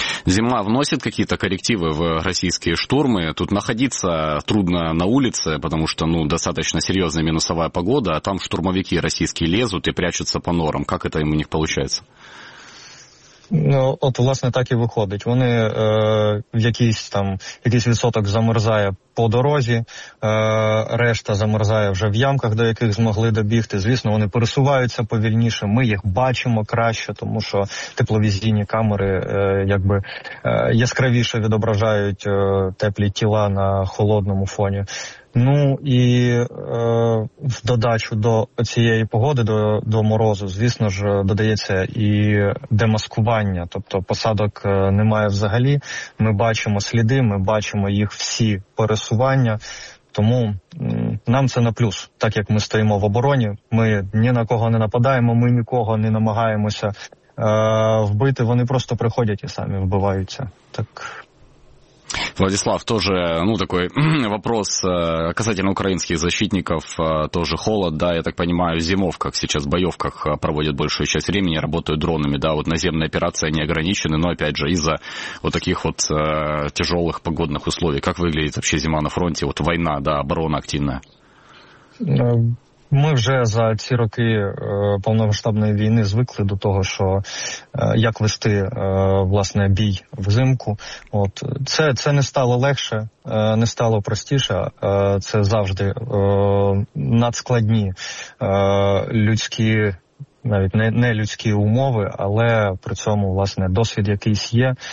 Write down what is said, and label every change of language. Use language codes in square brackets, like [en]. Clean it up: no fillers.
[ru] Зима вносит какие-то коррективы в российские штурмы? Тут находиться трудно на улице, потому что, ну, достаточно серьезная минусовая погода, а там штурмовики российские лезут и прячутся по норам. Как это им у них получается? [uk] Ну, от, власне, так і виходить. Вони в якийсь там якийсь відсоток замерзає по дорозі, решта замерзає вже в ямках, до яких змогли добігти. Звісно, вони пересуваються повільніше, ми їх бачимо краще, тому що тепловізійні камери якби яскравіше відображають теплі тіла на холодному фоні. Ну і в додачу до цієї погоди, до морозу, звісно ж, додається і демаскування, тобто посадок немає взагалі, ми бачимо сліди, ми бачимо їх всі пересування, тому нам це на плюс, так як ми стоїмо в обороні, ми ні на кого не нападаємо, ми нікого не намагаємося вбити, вони просто приходять і самі вбиваються, так... [ru] Владислав, тоже, ну, такой вопрос касательно украинских защитников, тоже холод, да, я так понимаю, в зимовках сейчас, в боевках проводят большую часть времени, работают дронами, да, вот наземные операции не ограничены, но, опять же, из-за вот таких вот тяжелых погодных условий, как выглядит вообще зима на фронте, вот война, да, оборона активная? [uk] Ми вже за ці роки повномасштабної війни звикли до того, що як вести власне бій взимку. От це не стало легше, не стало простіше. Це завжди надскладні людські, навіть не людські умови, але при цьому власне досвід якийсь є.